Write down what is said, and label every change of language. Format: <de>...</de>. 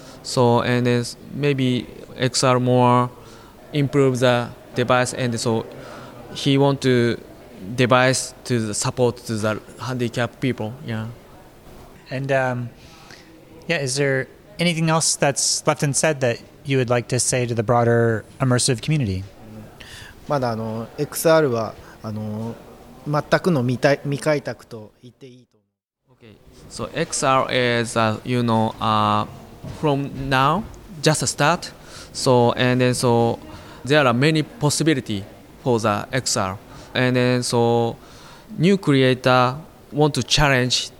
<en>So and is maybe XR more improve the device. And so he want to device to support to the handicap people. Yeah. And yeah, is there anything else that's left unsaid that you would like to say to the broader immersive community?</en> <ja>まだあの XR はあの全くの未開拓と言っていいと。</ja> <en>Okay, so XR is you know from now just a start. So and then so there are many possibility for the XR. And then so new creator want to challenge.</en>